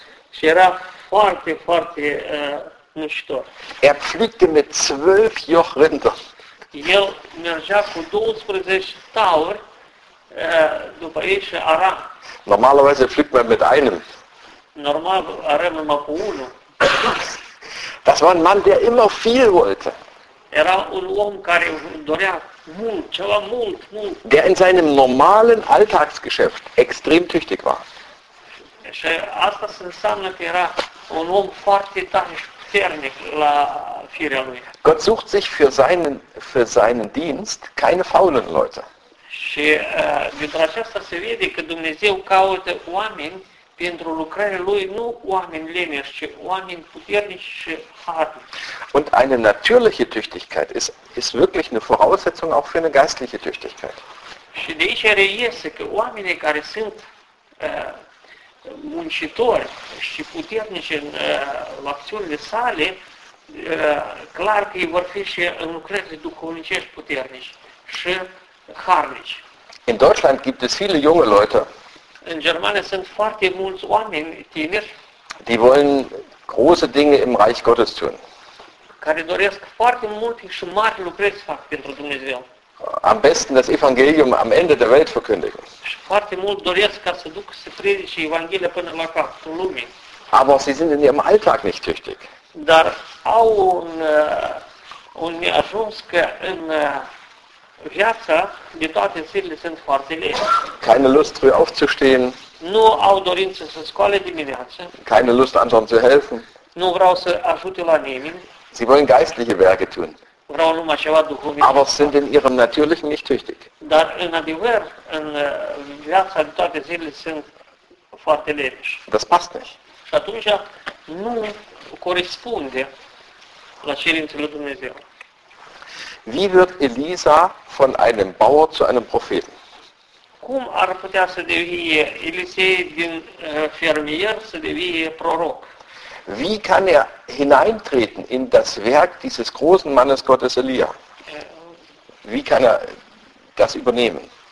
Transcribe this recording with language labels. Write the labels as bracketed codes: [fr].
[ro] Și era foarte, foarte muncitor. [de] Er pflügte mit 12 Joch Rinder. [ro] El mergea cu 12 tauri după ei și ara. [de] Normalerweise pflügt man mit einem. [ro] Normal arăm numai cu unul. [de] Das war ein Mann, der immer viel wollte. [ro] Era un om care dorea mult, ceva mult, mult. [de] Der in seinem normalen Alltagsgeschäft extrem tüchtig war. [ro] Și asta înseamnă că era un om foarte tare și puternic la firea lui. [de] Gott sucht sich für seinen Dienst keine faulen Leute. [ro] Și dintr-o aceasta se vede că Dumnezeu caută oameni pentru lucrarea lui, nu oameni leneși, ci oameni puternici și harni. [de] Und eine natürliche Tüchtigkeit ist wirklich eine Voraussetzung auch für eine geistliche Tüchtigkeit. [ro] Și de aici reiese că oamenii care sunt muncitori și puternici în acțiunile sale, clar că ei vor fi și în lucrările duhovnicești puternici și harnici. [de] In Deutschland gibt es viele junge Leute. [ro] In Germania sunt foarte mulți oameni tineri. [de] Die wollen große Dinge im Reich Gottes tun. [ro] Care doresc foarte multe și mari lucrări să fac pentru Dumnezeu. [de] Am besten das Evangelium am Ende der Welt verkündigen. [ro] Și foarte mult doresc ca să duc să predice Evanghelia până la capul lumii. [de] Aber sie sind in ihrem Alltag nicht tüchtig. [ro] Dar au un neajuns că în viața de toate zilele sunt foarte lene. [de] Keine Lust früh aufzustehen. [ro] Nu au dorință să scoale dimineața. [de] Keine Lust anderen zu helfen. [ro] Nu vreau să ajute la nimeni. [de] Sie wollen geistliche Werke tun. [ro] Vreau numai ceva duhovnic. [de] Aber sind in ihrem natürlichen nicht tüchtig. [ro] Dar în adevăr, în viața de toate zilele sunt foarte lene. [de] Das passt nicht. [ro] Și atunci nu corespunde la cerințele lui Dumnezeu. [de] Wie wird Elisa von einem Bauer zu einem Propheten? [ro] Cum ar putea să devie Elisei din fermier să devie proroc? [de] Wie kann er hineintreten in das Werk dieses großen Mannes Gottes Elia? Wie kann er das übernehmen?